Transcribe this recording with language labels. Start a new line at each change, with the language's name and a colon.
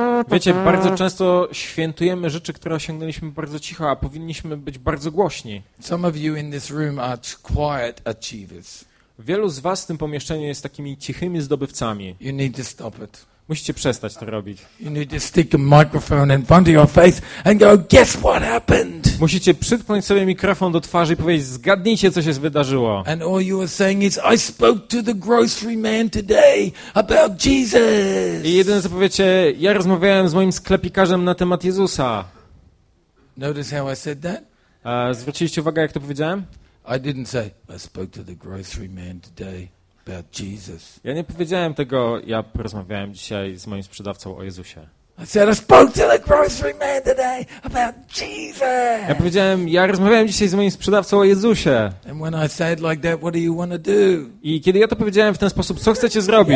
Polish: Wiecie, bardzo często świętujemy rzeczy, które osiągnęliśmy bardzo cicho, a powinniśmy być bardzo głośni.
English: Some of you in this room are quiet achievers.
Polish: Wielu z was w tym pomieszczeniu jest takimi cichymi zdobywcami.
English: You need to stop it.
Polish: Musicie przestać to robić.
English: You need to stick a microphone in front of your face and go, guess what happened?
Polish: Musicie przytknąć sobie mikrofon do twarzy i powiedzieć, zgadnijcie, co się wydarzyło.
English: And all you are saying is, I spoke to the grocery man today about Jesus.
Polish: I jedyne, co powiecie, ja rozmawiałem z moim sklepikarzem na temat Jezusa.
English: Notice how I said that?
Polish: Zwróciliście uwagę, jak to powiedziałem?
English: I didn't say, I spoke to the grocery man today. About Jesus.
Polish: Ja nie powiedziałem tego, ja porozmawiałem dzisiaj z moim sprzedawcą o Jezusie.
English: I said, I spoke to the grocery man today about Jesus.
Polish: Ja powiedziałem, ja rozmawiałem dzisiaj z moim sprzedawcą o Jezusie.
English: And when I said like that, what do you want to do?
Polish: I kiedy ja to powiedziałem w ten sposób, co chcecie zrobić?